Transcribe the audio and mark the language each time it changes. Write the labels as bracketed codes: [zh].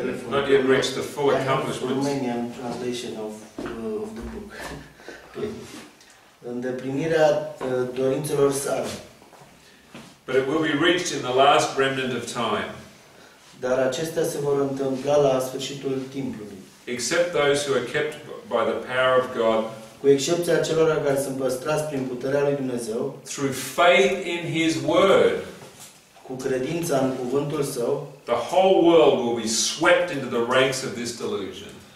[en] not yet reached the full accomplishment. Romanian translation of the book. [ro] Îndeplinirea dorințelor sale. [en] But it will be reached in the last remnant of time. [ro] Dar acestea se vor întâmpla la sfârșitul timpului. [en] Except those who are kept by the power of God. [ro] Cu excepția celor care sunt păstrați prin puterea lui Dumnezeu. [en] Through faith in His word. [ro] Cu credința în cuvântul său. [en] The whole world will be swept into the ranks of this delusion.